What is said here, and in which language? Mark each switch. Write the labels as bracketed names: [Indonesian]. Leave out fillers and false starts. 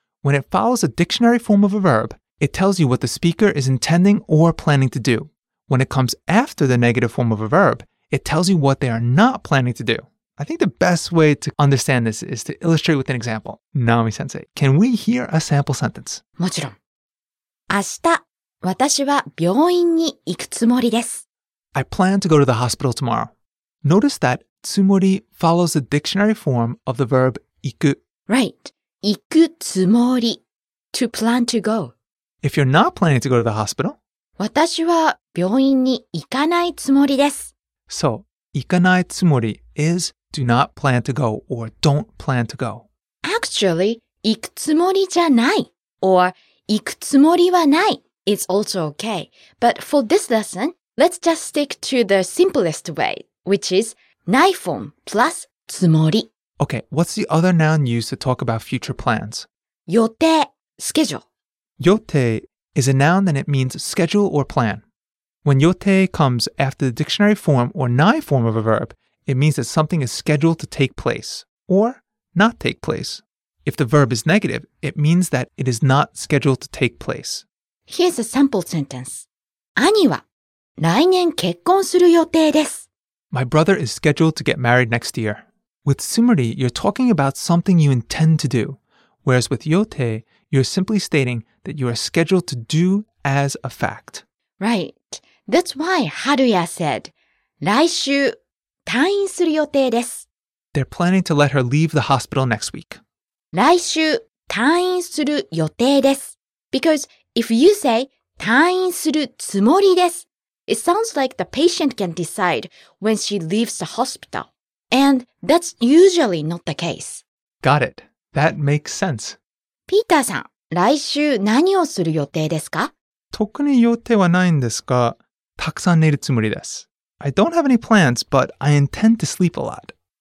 [English] When it follows a dictionary form of a verb, it tells you what the speaker is intending or planning to do. When it comes after the negative form of a verb, it tells you what they are not planning to do. I think the best way to understand this is to illustrate with an example. Naomi-sensei, can we hear a sample sentence? [Japanese] もちろん。明日、私は病院に行くつもりです。 [English] I plan to go to the hospital tomorrow. Notice that つもり follows the dictionary form of the verb 行く。 Right. [Japanese] 行くつもり。 [English] To plan to go. If you're not planning to go to the hospital, [Japanese] 私は病院に行かないつもりです。 [English] So, [Japanese] 行かないつもり [English] is... Do not plan to go or don't plan to go. Actually, [Japanese] 行くつもりじゃない [English] or [Japanese] 行くつもりはない [English] is also okay. But for this lesson, let's just stick to the simplest way, which is ない form plus つもり. Okay, what's the other noun used to talk about future plans? 予定, schedule. 予定 is a noun and it means schedule or plan. When 予定 comes after the dictionary form or ない form of a verb,It means that something is scheduled to take place or not take place. If the verb is negative, it means that it is not scheduled to take place. Here's a sample sentence. [Japanese] 兄は来年結婚する予定です。 [English] My brother is scheduled to get married next year. With つもり, you're talking about something you intend to do. Whereas with yote, you're simply stating that you are scheduled to do as a fact. Right. That's why Haruya said, [Japanese] 来週退院する予定です. [English] They're planning to let her leave the hospital next week. [Japanese] 来週退院する予定です. [English] Because if you say [Japanese] 退院するつもりです, [English] it sounds like the patient can decide when she leaves the hospital. And that's usually not the case. Got it. That makes sense. [Japanese] ピーターさん, 来週何をする予定ですか? 特に予定はないんですが、たくさん寝るつもりです。 [English] I don't have any plans, but I intend to sleep a lot.